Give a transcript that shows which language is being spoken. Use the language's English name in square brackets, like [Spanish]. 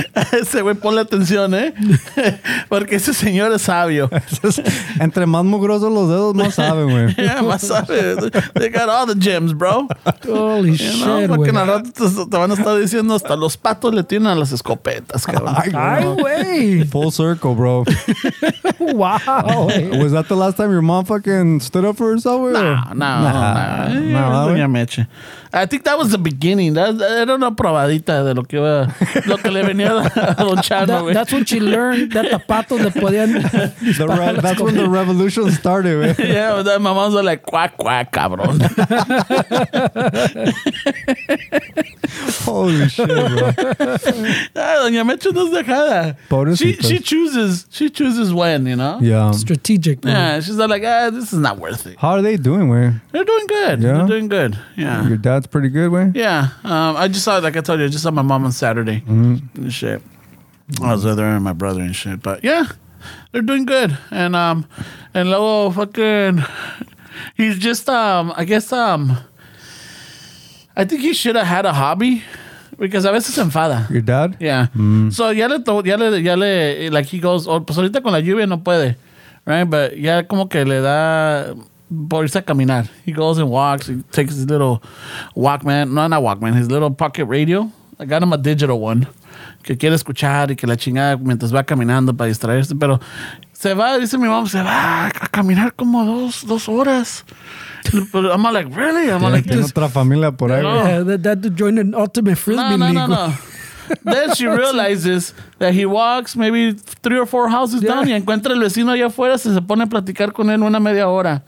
[Spanish] Ese güey, ponle atención, ¿eh? Porque ese señor es sabio. Entre más mugrosos los dedos, más saben, güey. [English] Yeah, [Spanish] más saben. [English] They got all the gems, bro. Holy shit, güey. [Spanish] Porque en el rato te van a estar diciendo hasta los patos le tienen a las escopetas, cabrón. Ay, güey. [English] Full circle, bro. Wow. Was that the last time your mom fucking stood up for herself? No. Doña Meche. I think that was the beginning. [Spanish] That era una probadita de lo que iba, lo que le venía a Don Chano. [English] That's when she learned that the [Spanish] patos le podían [English] disparar. That's when the revolution started, man. Yeah, but that mamá was like, quack, quack, cabrón. Holy shit, bro. [Spanish] Doña Meche no es dejada. [English] She chooses when, you know? Yeah. Strategic. Bro. Yeah, she's not like, this is not worth it. How are they doing, man? They're doing good. Yeah? They're doing good. Yeah. Your dad's pretty good, man? Yeah. I just saw, like I told you, I just saw my mom on Saturday. Mm-hmm. And shit. I was with her and my brother and shit. But yeah, they're doing good. And luego fucking, he's just, I guess, I think he should have had a hobby because [Spanish] a veces se enfada. [English] Your dad? Yeah. Mm. [Spanish] So ya le, [English] like he goes, oh, [Spanish] pues ahorita con la lluvia no puede. Right? But ya como que le da por irse a caminar. [English] He goes and walks. He takes his little Walkman. No, not Walkman. His little pocket radio. I got him a digital one. [Spanish] Que quiere escuchar y que la chingada mientras va caminando para distraerse. Pero se va, dice mi mamá, se va a caminar como dos horas. [English] But I'm not like, really? I'm not like, [Spanish] tiene otra familia por ahí. [English] That to join an ultimate frisbee league. No. Then she realizes that he walks maybe 3 or 4 houses down. [Spanish] Y encuentra el vecino allá afuera, se pone a platicar con él una media hora.